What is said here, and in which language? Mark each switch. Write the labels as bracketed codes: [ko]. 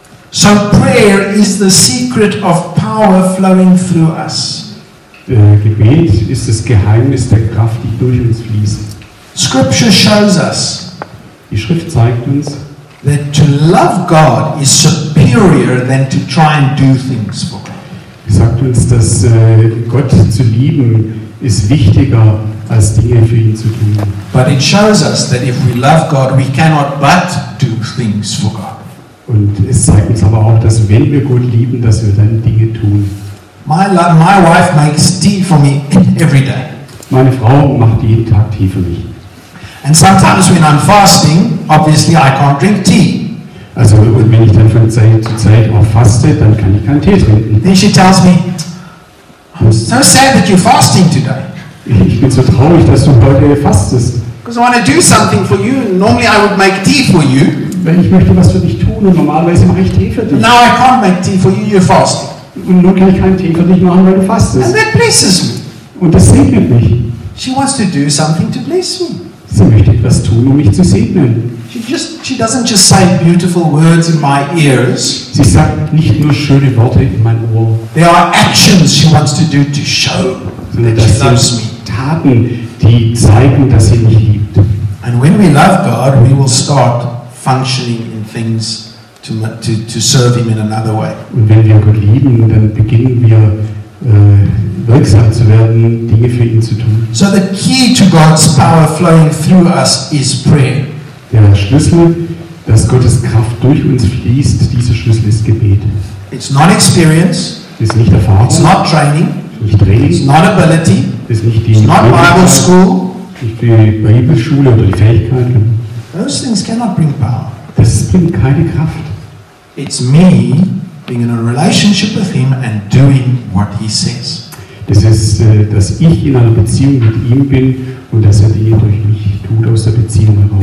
[en] So prayer is the secret of power flowing through us. [de] Gebet ist das Geheimnis der Kraft, die durch uns fließt. [en] Scripture shows us. [de] Die Schrift zeigt uns, [en] that to love God is superior than to try and do things for God. [de] Sagt uns, dass Gott zu lieben ist wichtiger als Dinge für ihn zu tun. [en] But it shows us that if we love God, we cannot but do things for God. [de] Und es zeigt uns aber auch, dass wenn wir Gott lieben, dass wir dann Dinge tun. [en] My wife makes tea for me every day. [de] Meine Frau macht jeden Tag Tee für mich. [en] And sometimes when I'm fasting, obviously I can't drink tea. [de] Also und wenn ich dann von Zeit zu Zeit auch faste, dann kann ich keinen Tee trinken. [en] Then she tells me, I'm so sad that you're fasting today. [de] Ich bin so traurig, dass du heute fastest. [en] Because I want to do something for you. Normally I would make tea for you. [de] Weil ich möchte was für dich tun und normalerweise mache ich Tee für dich. [en] Now I can't make tea for you. You're fasting. [de] Und nun kann ich keinen Tee für dich machen, weil du fastest. [en] And that blesses me. [de] Und das segnet mich. [en] She wants to do something to bless me. [de] Sie möchte etwas tun, um mich zu segnen. [en] She doesn't just say beautiful words in my ears. [de] Sie sagt nicht nur schöne Worte in mein Ohr. [en] There are actions she wants to do to show that she loves me. [de] Taten, die zeigen, dass sie mich liebt. [en] And when we love God, we will start functioning in things to serve him in another way. [de] Und wenn wir Gott lieben, dann beginnen wir wirksam zu werden, Dinge für ihn zu tun. [en] So the key to God's power flowing through us is prayer. [de] Der Schlüssel, dass Gottes Kraft durch uns fließt, dieser Schlüssel ist Gebet. [en] It's not experience. [de] Es ist nicht Erfahrung. [en] It's not training. [de] Nicht Training. [en] It's not ability. [de] Es ist nicht die [en] Bible school. [de] Nicht die Bibelschule oder die Fähigkeiten. [en] Those things cannot bring power. [de] Das bringt keine Kraft. [en] It's me being in a relationship with him and doing what he says. [de] Das ist, dass ich in einer Beziehung mit ihm bin und dass er Dinge durch mich tut aus der Beziehung heraus.